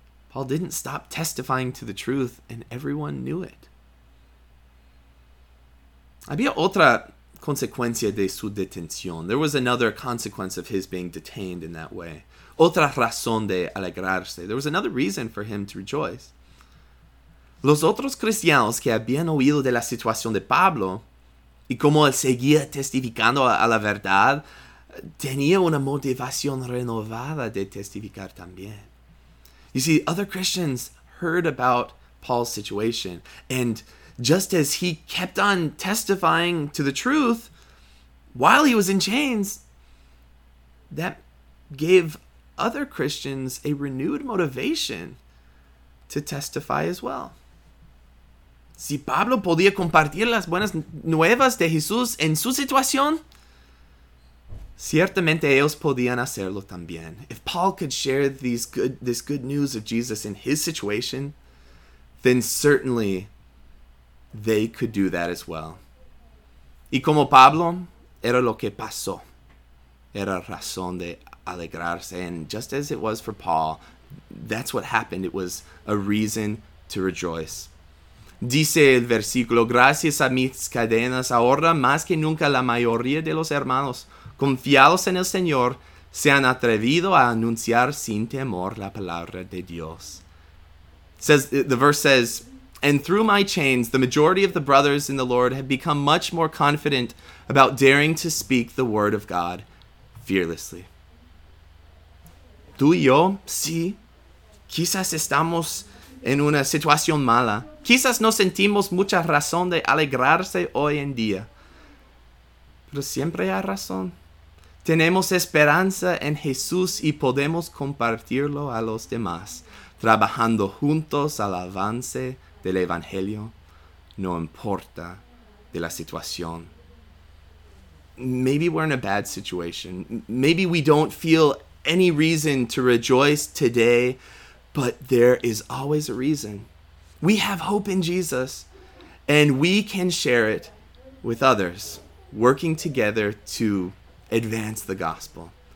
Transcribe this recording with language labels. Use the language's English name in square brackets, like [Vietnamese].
[English] Paul didn't stop testifying to the truth, and everyone knew it. [Spanish] Había otra consecuencia de su detención. [English] There was another consequence of his being detained in that way. [Spanish] Otra razón de alegrarse. [English] There was another reason for him to rejoice. [Spanish] Los otros cristianos que habían oído de la situación de Pablo y cómo él seguía testificando a la verdad, tenía una motivación renovada de testificar también. [English] You see, other Christians heard about Paul's situation, and just as he kept on testifying to the truth while he was in chains, that gave other Christians a renewed motivation to testify as well. [Spanish] Si Pablo podía compartir las buenas nuevas de Jesús en su situación, ciertamente ellos podían hacerlo también. [English] If Paul could share this good news of Jesus in his situation, then certainly they could do that as well. [Spanish] Y como Pablo, era lo que pasó. Era razón de alegrarse. [English] And just as it was for Paul, that's what happened. It was a reason to rejoice. [Spanish] Dice el versículo, gracias a mis cadenas, ahora más que nunca la mayoría de los hermanos confiados en el Señor se han atrevido a anunciar sin temor la palabra de Dios. [English] The verse says, and through my chains, the majority of the brothers in the Lord have become much more confident about daring to speak the word of God fearlessly. [Spanish] Tú y yo, sí, quizás estamos en una situación mala. Quizás no sentimos mucha razón de alegrarse hoy en día. Pero siempre hay razón. Tenemos esperanza en Jesús y podemos compartirlo a los demás, trabajando juntos al avance del Evangelio, no importa de la situación. [English] Maybe we're in a bad situation. Maybe we don't feel any reason to rejoice today, but there is always a reason. We have hope in Jesus, and we can share it with others, working together to advance the gospel.